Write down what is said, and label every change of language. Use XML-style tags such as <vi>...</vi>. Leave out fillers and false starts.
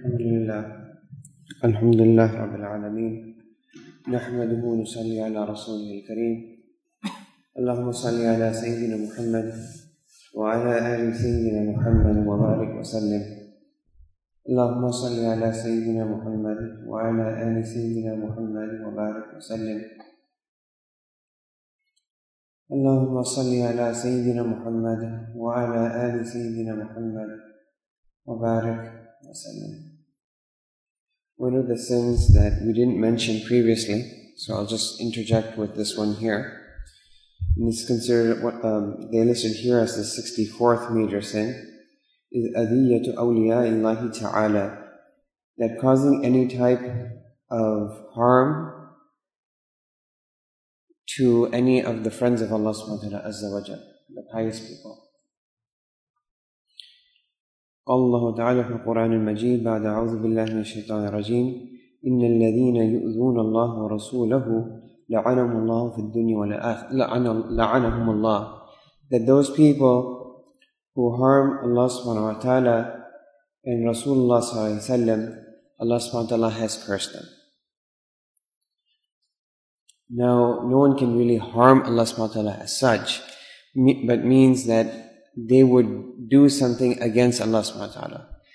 <ar>لله الحمد لله رب العالمين نحمده ونصلي على رسوله الكريم اللهم صل على سيدنا محمد وعلى آل سيدنا محمد وبارك وسلم اللهم صل على سيدنا محمد وعلى آل سيدنا محمد وبارك وسلم اللهم صل على سيدنا محمد وعلى آل سيدنا محمد وبارك وسلم.</ar> <en>One of the sins that we didn't mention previously, so I'll just interject with this one here. And it's considered what they listed here as the 64th major sin, is</en> <ar>adiyatu awliya illahi ta'ala,</ar> <en>that causing any type of harm to any of the friends of Allah subhanahu wa ta'ala, azza wa jalla, the pious people.</en> <ar>الله تعالى في القرآن المجيد بعد أعوذ بالله من الشيطان الرجيم إن الذين يؤذون الله ورسوله لعنهم الله في الدنيا والآخرة لعنهم الله.</ar> <en>That those people who harm Allah subhanahu wa ta'ala and Rasulullah صلى الله عليه وسلم, Allah subhanahu wa ta'ala has cursed them. Now, no one can really harm Allah subhanahu wa ta'ala as such, but means that they would do something against Allah subhanahu wa ta'ala.</en>